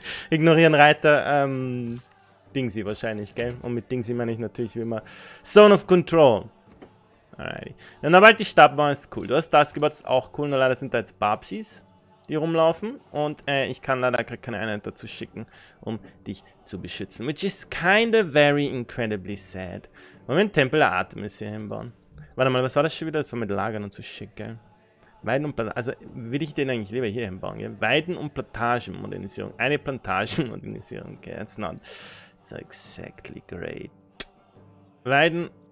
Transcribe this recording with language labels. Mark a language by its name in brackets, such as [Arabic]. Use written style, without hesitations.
[German] Ignorieren Reiter, Dingsi wahrscheinlich, gell? Und mit Dingsi meine ich natürlich wie immer Zone of Control. Alrighty. Dann aber halt die Stadt bauen, ist cool. Du hast das gebaut, ist auch cool. Nur leider sind da jetzt Babsis, die rumlaufen. Und ich kann leider gerade keine Einheit dazu schicken, um dich zu beschützen. [English] Which is kinda very incredibly sad. [German] Wollen wir einen Tempel der Artemis hier hinbauen? Warte mal, was war das schon wieder? Das war mit Lagern und so schick, gell? Weiden und Plantagen. Also will ich den eigentlich lieber hier hinbauen, gell? Weiden und Plantagenmodernisierung. Eine Plantagenmodernisierung, okay? [English] That's not. It's exactly great. [German] Weiden.